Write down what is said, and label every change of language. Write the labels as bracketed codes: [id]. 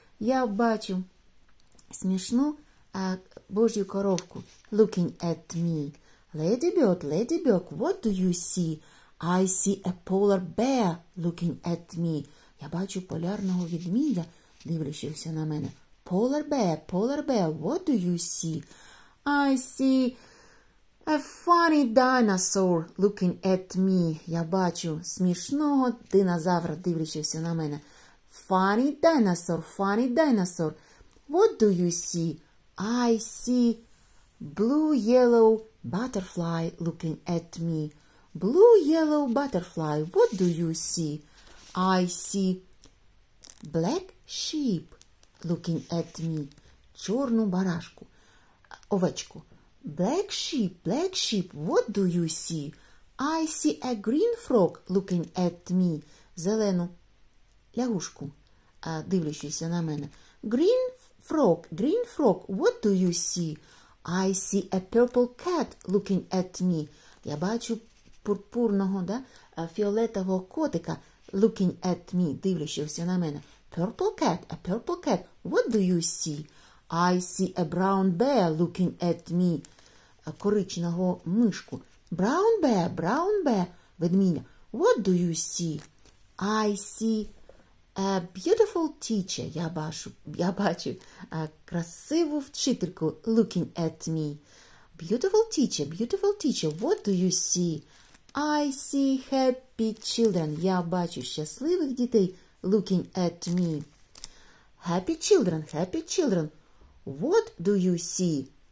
[uk] Я бачу смішну божью коровку, [en] looking at me. Ladybird, what do you see? I see a polar bear looking at me. [uk] Я бачу полярного ведмедя, дивлячись на мене. [en] Polar bear, what do you see? I see a funny dinosaur looking at me. [uk] Я бачу смішного динозавра, дивлячись на мене. [en] Funny dinosaur, what do you see? I see blue-yellow butterfly looking at me. Blue-yellow butterfly, what do you see? I see black sheep looking at me. [uk] Чорну барашку, овечку. [en] Black sheep, what do you see? I see a green frog looking at me. [uk] Зелену лягушку, дивлячись на мене. [en] Green frog, what do you see? I see a purple cat looking at me. [uk] Я бачу пурпурного, да, фіолетового котика [en] looking at me, [uk] дивлячись на мене. [en] Purple cat, what do you see? I see a brown bear looking at me. [uk] Коричневого мишку. [en] Brown bear, [uk] ведмедя. [en] What do you see? I see a beautiful teacher. [uk] Я бачу красиву вчительку [en] looking at me. Beautiful teacher, what do you see? I see happy children. [uk] Я бачу щасливих дітей [en] looking at me. Happy children, what do you see?